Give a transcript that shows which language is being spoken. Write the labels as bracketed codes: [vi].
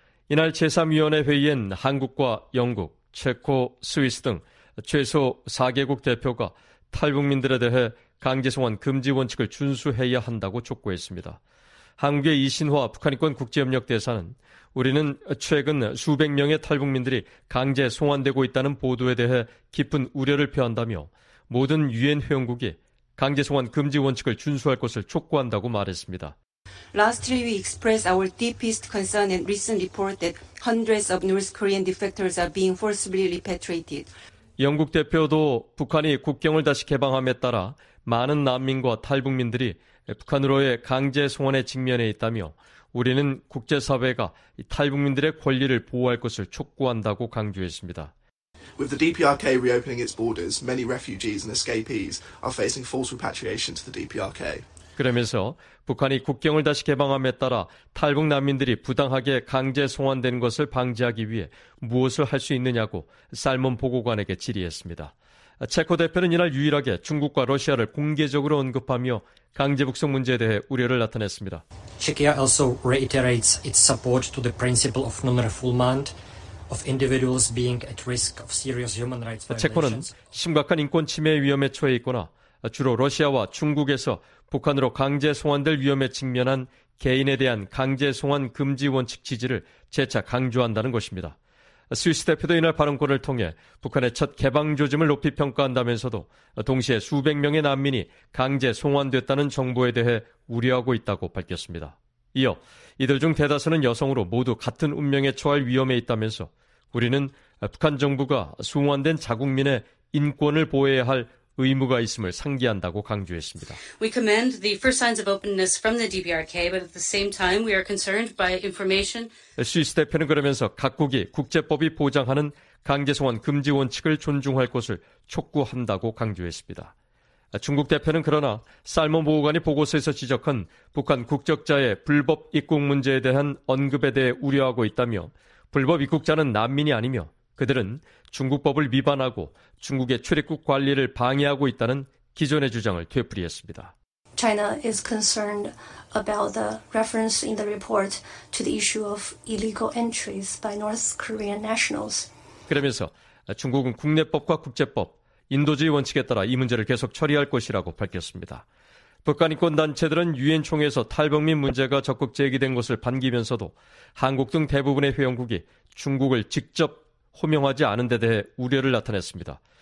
[ko] 이날 제3위원회 회의엔 한국과 영국, 체코, 스위스 등 최소 4개국 대표가 탈북민들에 대해 강제송환 금지 원칙을 준수해야 한다고 촉구했습니다. 한국의 이신화 북한인권 국제협력대사는 우리는 최근 수백 명의 탈북민들이 강제송환되고 있다는 보도에 대해 깊은 우려를 표한다며 모든 유엔 회원국이 강제송환 금지 원칙을 준수할 것을 촉구한다고 말했습니다. [en] Last three we expressed our deepest concern and recent report that hundreds of North Korean defectors are being forcibly repatriated. [ko] 영국 대표도 북한이 국경을 다시 개방함에 따라 많은 난민과 탈북민들이 북한으로의 강제 송환의 직면에 있다며 우리는 국제사회가 탈북민들의 권리를 보호할 것을 촉구한다고 강조했습니다. [en] With the DPRK reopening its borders, many refugees and escapees are facing forced repatriation to the DPRK. [ko] 그러면서 북한이 국경을 다시 개방함에 따라 탈북 난민들이 부당하게 강제 송환되는 것을 방지하기 위해 무엇을 할 수 있느냐고 살몬 보고관에게 질의했습니다. 체코 대표는 이날 유일하게 중국과 러시아를 공개적으로 언급하며 강제 북송 문제에 대해 우려를 나타냈습니다. [en] Czechia also reiterates its support to the principle of non-refoulement of individuals being at risk of serious human rights violations. [ko] 체코는 심각한 인권 침해 위험에 처해 있거나 주로 러시아와 중국에서 북한으로 강제 송환될 위험에 직면한 개인에 대한 강제 송환 금지 원칙 지지를 재차 강조한다는 것입니다. 스위스 대표도 이날 발언권을 통해 북한의 첫 개방 조짐을 높이 평가한다면서도 동시에 수백 명의 난민이 강제 송환됐다는 정보에 대해 우려하고 있다고 밝혔습니다. 이어 이들 중 대다수는 여성으로 모두 같은 운명에 처할 위험에 있다면서 우리는 북한 정부가 송환된 자국민의 인권을 보호해야 할 의무가 있음을 상기한다고 강조했습니다. [en] We commend the first signs of openness from the DPRK, but at the same time, we are concerned by information. [ko] 스위스 대표는 그러면서 각국이 국제법이 보장하는 강제송환 금지 원칙을 존중할 것을 촉구한다고 강조했습니다. 중국 대표는 그러나 살몬 보고관이 보고서에서 지적한 북한 국적자의 불법 입국 문제에 대한 언급에 대해 우려하고 있다며 불법 입국자는 난민이 아니며 그들은 중국법을 위반하고 중국의 출입국 관리를 방해하고 있다는 기존의 주장을 되풀이했습니다. [en] China is concerned about the reference in the report to the issue of illegal entries by North Korean nationals. [ko] 그러면서 중국은 국내법과 국제법, 인도주의 원칙에 따라 이 문제를 계속 처리할 것이라고 밝혔습니다. 북한인권단체들은 유엔 총회에서 탈북민 문제가 적극 제기된 것을 반기면서도 한국 등 대부분의 회원국이 중국을 직접 호명하지 않은 데 대해 우려를 나타냈습니다.